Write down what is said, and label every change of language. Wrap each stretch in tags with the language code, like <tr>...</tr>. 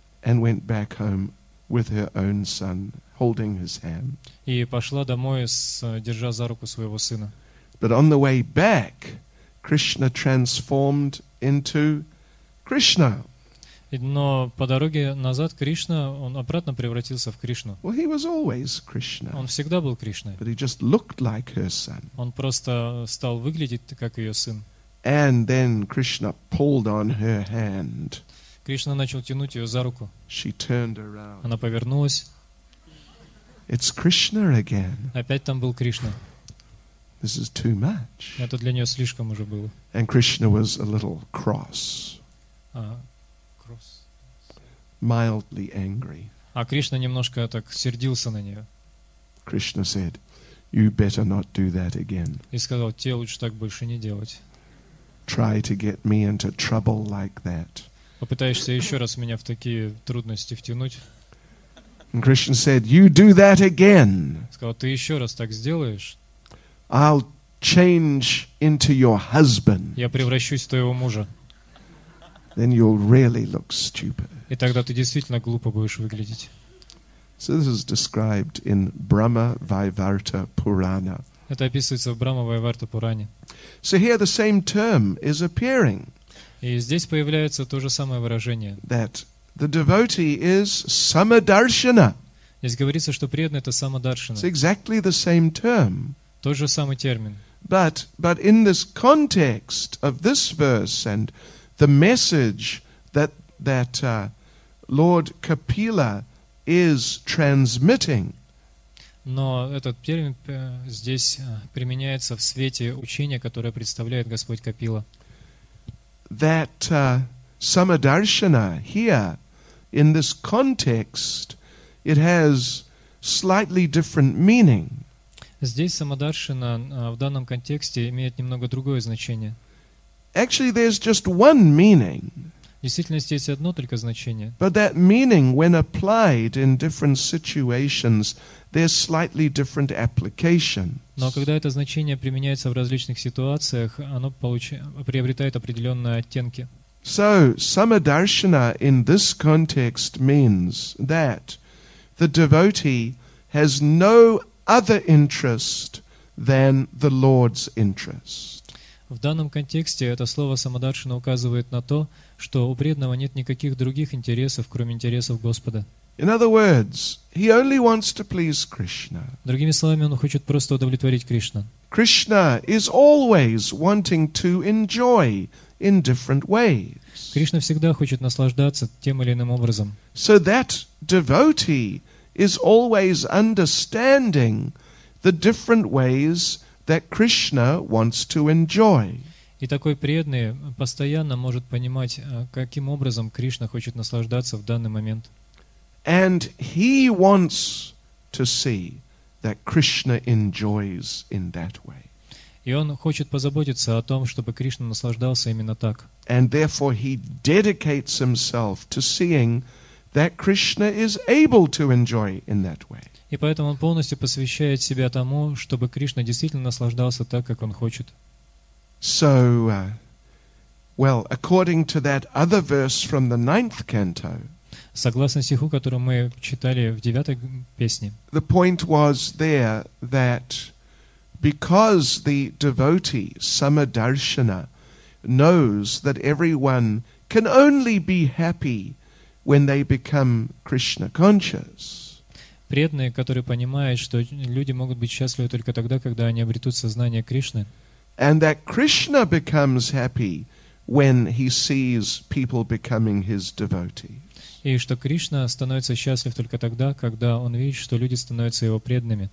<en>And went back home with her own son, holding his hand.</en> <ru>И пошла домой, держа за руку своего сына.</ru> <en>But on the way back, Krishna transformed into Krishna.</en> <ru>Но по дороге назад Кришна, он обратно превратился в Кришну.</ru> <en>Well, he was always Krishna.</en> <ru>Он всегда был Кришной.</ru> <en>But he just looked like her son.</en> <ru>Он просто стал выглядеть как ее сын.</ru> <en>And then Krishna pulled on her hand.</en> <ru>Кришна начал тянуть ее за руку.</ru> <en>She turned around.</en> <ru>Она повернулась.</ru> <en>It's Krishna again.</en> <ru>Опять там был Кришна.</ru> <en>This is too much.</en> <ru>Это для нее слишком уже было.</ru> <en>And Krishna was a little cross. Mildly angry.</en> <ru>А Кришна немножко так сердился на нее.</ru> <en>Krishna said, "You better not do that again."</en> <ru>И сказал: "Тебе лучше так больше не делать."</ru> <en>Try to get me into trouble like that.</en> <ru>Попытаешься еще раз меня в такие трудности втянуть?</ru> <en>And Krishna said, "You do that again."</en> <ru>Сказал: "Ты еще раз так сделаешь?"</ru> <en>I'll change into your husband.</en> <ru>Я превращусь в твоего мужа.</ru> <en>Then you'll really look stupid.</en> <ru>И тогда ты действительно глупо будешь выглядеть.</ru> <en>So this is described in Brahma Vaivarta Purana.</en> <ru>Это описывается в Брахма Вайварта Пуране.</ru> <en>So here the same term is appearing.</en> <ru>И здесь появляется то же самое выражение.</ru> <en>That the devotee is Samadarshana.</en> <ru>Здесь говорится, что преданный — это Самадаршина.</ru> <en>It's exactly the same term.</en> <ru>Тот же самый термин.</ru> <en>But in this context of this verse and the message that Lord Kapila is transmitting.</en> <ru>Но этот термин здесь применяется в свете учения, которое представляет Господь Капила.</ru> <en>That Samadarshana here in this context, it has slightly different meaning.</en> <ru>Здесь Самадаршина в данном контексте имеет немного другое значение.</ru> <en>Actually, there's just one meaning.</en> <ru>В действительности есть одно только значение.</ru> <en>But that meaning, when applied in different situations, there's slightly different applications.</en> <ru>Но когда это значение применяется в различных ситуациях, оно приобретает определенные оттенки.</ru> <en>So, Samadarshana in this context means that the devotee has no other interest than the Lord's interest.</en> <ru>В данном контексте это слово «самадаршина» указывает на то, что у преданного нет никаких других интересов, кроме интересов Господа.</ru> <en>In other words, he only wants to please Krishna.</en> <ru>Другими словами, он хочет просто удовлетворить Кришну.</ru> <en>Krishna is always wanting to enjoy in different ways.</en> <ru>Кришна всегда хочет наслаждаться тем или иным образом.</ru> <en>So that devotee is always understanding the different ways that Krishna wants to enjoy.</en> <ru>И такой преданный постоянно может понимать, каким образом Кришна хочет наслаждаться в данный момент.</ru> <en>And he wants to see that Krishna enjoys in that way.</en> <ru>И он хочет позаботиться о том, чтобы Кришна наслаждался именно так.</ru> <en>And therefore he dedicates himself to seeing that Krishna is able to enjoy in that way.</en> <ru>И поэтому он полностью посвящает себя тому, чтобы Кришна действительно наслаждался так, как он хочет.</ru> <en>So, Well, according to that other verse from the ninth canto,</en> <ru>согласно стиху, который мы читали в девятой песне,</ru> <en>the point was there that because the devotee Samadarshana knows that everyone can only be happy when they become Krishna conscious.</en> <ru>Преданные, которые понимают, что люди могут быть счастливы только тогда, когда они обретут сознание Кришны.</ru> <en>And that Krishna becomes happy when he sees people becoming his devotees.</en> <ru>И что Кришна становится счастлив только тогда, когда он видит, что люди становятся его преданными.</ru>